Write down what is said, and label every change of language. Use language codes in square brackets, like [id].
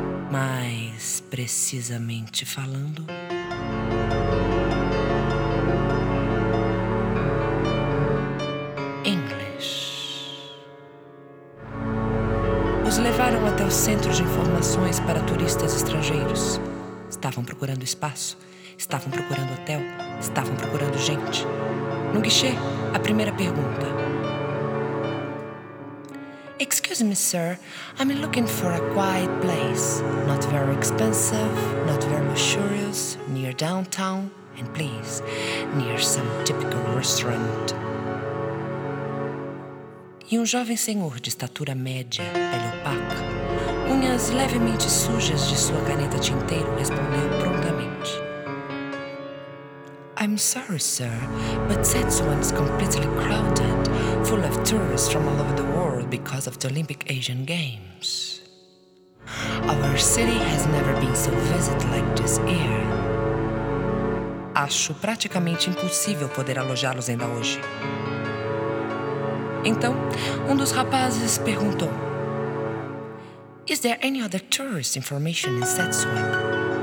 [pt] Mais precisamente falando, inglês. Os levaram até o centro de informações para turistas estrangeiros. Estavam procurando espaço, estavam procurando hotel, estavam procurando gente. No guichê, a primeira pergunta. [en] Excuse me, sir, I'm looking for a quiet place. Not very expensive, not very luxurious, near downtown, and please, near some typical restaurant. [pt] E jovem senhor de estatura média, pele opaca, unhas levemente sujas de sua caneta tinteiro, respondeu prontamente. [en] I'm sorry, sir, but Sichuan is completely crowded, full of tourists from all over the world because of the Olympic Asian Games. Our city has never been so visited like this year. [pt] Acho praticamente impossível poder alojá-los ainda hoje. Então, dos rapazes perguntou: [en] Is there any other tourist information in Sichuan?